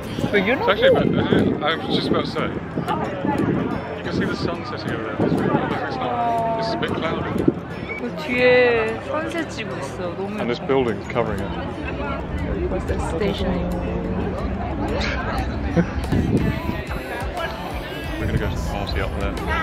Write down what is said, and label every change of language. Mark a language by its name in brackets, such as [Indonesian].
[English] But you're not it's actually, cool. I was just about to say. You can see the sun setting over there. It's a bit cloudy. [Korean] 그 뒤에 산세트 찍고 있어. 너무. [English] And this building is covering it. What's that station? We're gonna go to the party up there.